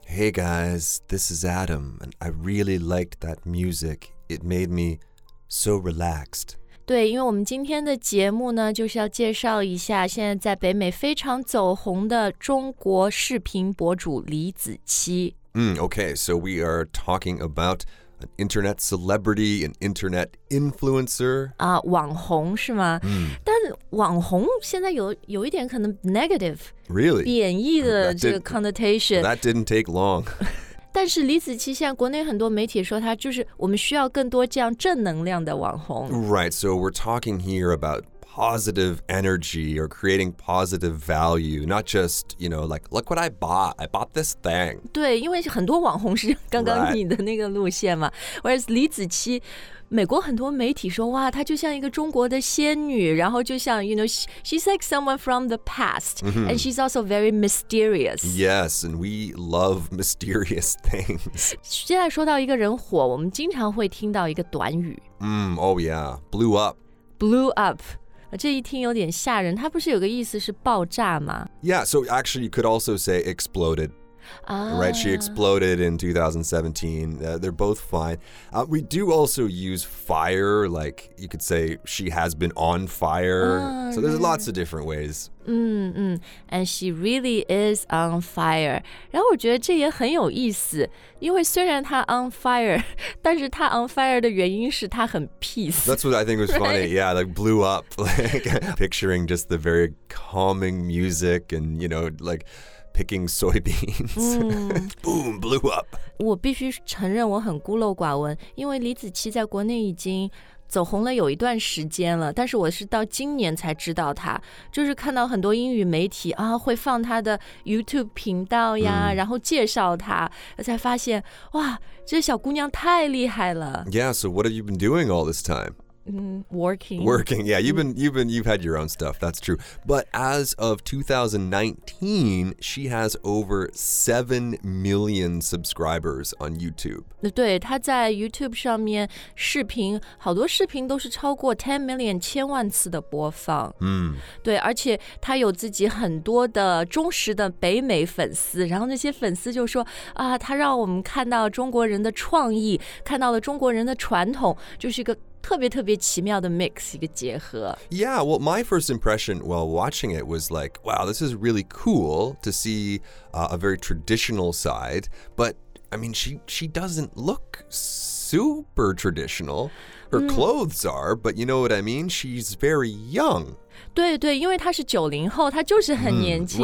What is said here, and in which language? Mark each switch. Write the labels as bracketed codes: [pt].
[en] Hey guys, this is Adam, and I really liked that music. It made me so relaxed. [zh] 对，因为我们今天的节目呢，就是要介绍一下现在在北美非常走红的中国视频博主李子柒。 [en] Okay, so we are talking about an internet celebrity, an internet influencer. [zh] 啊，网红是吗？网红现在有一点可能 negative, [en] really? [zh] 贬义的这个 connotation. [en] That didn't take long. [zh] 但是李子柒现在国内很多媒体说他就是我们需要更多这样正能量的网红。 [en] Right, so we're talking here about positive energy or creating positive value, not just, you know, like, look what I bought this thing. [zh] 对，因为很多网红是刚刚你的那个路线嘛。 Whereas 李子柒美国很多媒体说哇她就像一个中国的仙女然后就像 [en] you know, she's like someone from the past、 [zh] mm-hmm. [en] and she's also very mysterious. Yes, and we love mysterious things. [zh] 现在说到一个人火我们经常会听到一个短语、 [en] Oh yeah, blew up. Blew up. [zh] 这一听有点吓人它不是有个意思是爆炸吗 [en] Yeah, so actually you could also say exploded. Right, she exploded in 2017. They're both fine. We do also use fire, like you could say she has been on fire. So there's lots of different ways. And she really is on fire. [zh] 然后我觉得这也很有意思，因为虽然她 on fire， 但是她 on fire 的原因是她很 peace. [en] That's what I think was funny.、Right? Yeah, like blew up. Like, picturing just the very calming music and, you know, like... picking soybeans. Boom, blew up. [zh] 我必须承认我很孤陋寡闻，因为李子柒在国内已经走红了有一段时间了，但是我是到今年才知道他，就是看到很多英语媒体啊会放他的 YouTube 频道呀，然后介绍他，才发现哇，这小姑娘太厉害了。 [en] Yeah, so what have you been doing all this time? Working. Yeah, you've had your own stuff. That's true. But as of 2019, she has over 7 million subscribers on YouTube. [zh] 对，她在 YouTube 上面视频，好多视频都是超过 10 million 千万次的播放。对，而且她有自己很多的忠实的北美粉丝，然后那些粉丝就说啊，她让我们看到中国人的创意，看到了中国人的传统，就是一个特别特别奇妙的 mix 一个结合 [en] Yeah, well, my first impression while watching it was like, wow, this is really cool to see、a very traditional side. But, I mean, she doesn't look super traditional. Her clothes are, but you know what I mean? She's very young. [zh] 对对，因为她是90后，她就是很年轻。